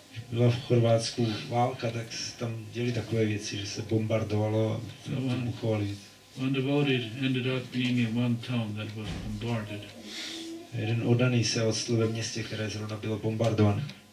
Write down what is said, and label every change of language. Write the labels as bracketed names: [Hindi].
[Czech] Byla v Chorvátsku válka, tak se tam děli takové věci, že se bombardovalo a vybuchovali. [English] One devotee ended up being in one town that was bombarded. [Czech] Jeden oddaný se odstl ve městě, které zrovna bylo bombardované.